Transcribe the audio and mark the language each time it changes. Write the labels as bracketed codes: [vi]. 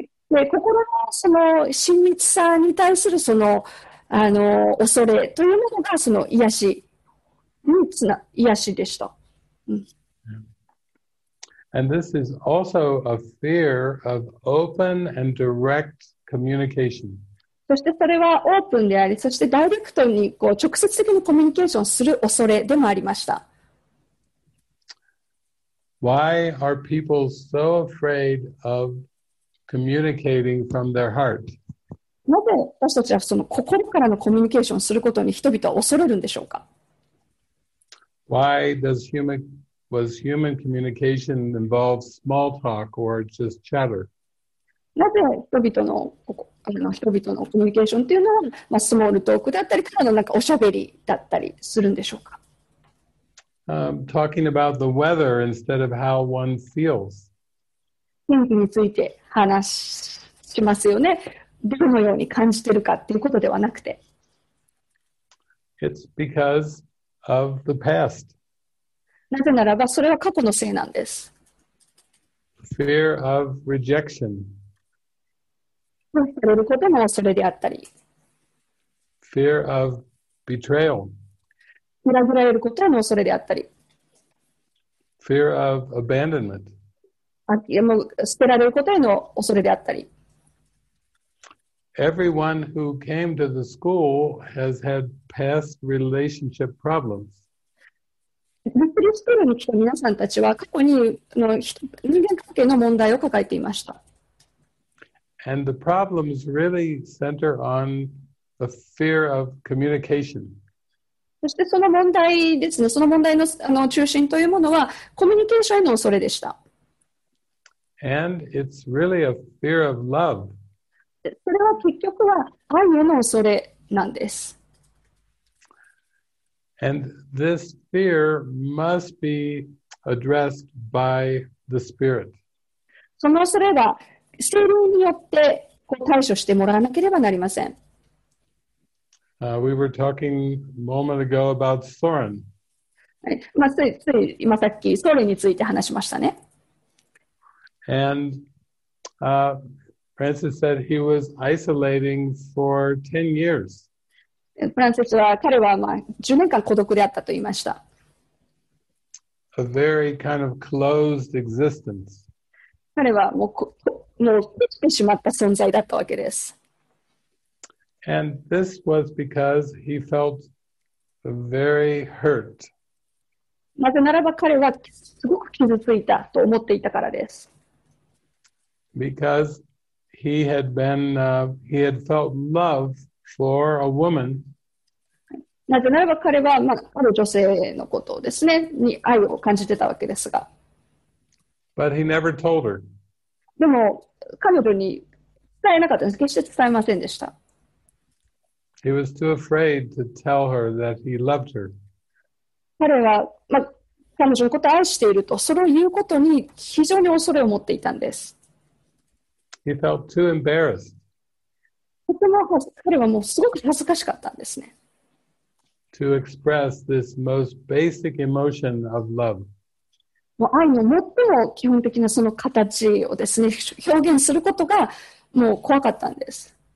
[ja] で、心のその親密さに対するその、恐れというものがその癒しにつな、癒しでした。 [en] And this is also a fear of open and direct communication. [ja] そしてそれはオープンであり、そしてダイレクトにこう直接的にコミュニケーションする恐れでもありました。 [en] Why are people so afraid of communicating from their heart? [ja] なぜ私たちはその心からのコミュニケーションをすることに人々は恐れるんでしょうか? [en] Why does human communication involve small talk or just chatter? [ja] なぜ人々のコミュニケーションというのは、まあ、スモールトークだったりただのなんかおしゃべりだったりするんでしょうか? [en] Talking about the weather instead of how one feels. [ja] 天気について話しますよね。どのように感じているかということではなくて。 [en] It's because of the past. [ja] なぜならば、それは過去のせいなんです。 [en] Fear of rejection. [ja] 拒否されることも恐れであったり。 [en] Fear of betrayal. [ja] 裏切られることも恐れであったり。 [en] Fear of abandonment. [ja] もう捨てられることへの恐れであったり。 [en] Everyone who came to the school has had past relationship problems. [ja] リトリートに来た皆さんたちは過去にの人間関係の問題を抱えていました。 [en] And the problems really center on the fear of communication. [ja] そしてその問題ですね、その問題の、中心というものはコミュニケーションへの恐れでした。 [en] And it's really a fear of love. [ja] それは結局は愛への恐れなんです。 [en] And this fear must be addressed by the Spirit. [ja] その恐れは聖霊によってこう対処してもらわなければなりません。 [en] We were talking a moment ago about Soren. [ja] まあ、つい今さっきソレについて話しましたね。 [en] And Francis said he was isolating for 10 years. [ja] Francis は彼はまあ10年間孤独であったと言いました。 [en] A very kind of closed existence. [ja] 彼はもう閉じてしまった存在だったわけです。 [en] And this was because he felt very hurt. [ja] なぜならば彼はすごく傷ついたと思っていたからです。 [en] Because he had felt love for a woman. [ja] なぜならば彼は、まあ、ある女性のことですね、に愛を感じてたわけですが。 [en] But he never told her. [ja] でも彼女に伝えなかったんです。決して伝えませんでした。 [en] He was too afraid to tell her that he loved her. [ja] 彼は、まあ、彼女のことを愛していると、それを言うことに非常に恐れを持っていたんです。 [en] He felt too embarrassed. [ja] 彼はもうすごく恥ずかしかったんですね。 [en] To express this most basic emotion of love. [ja] もう愛の最も基本的なその形をですね、表現することがもう怖かったんです。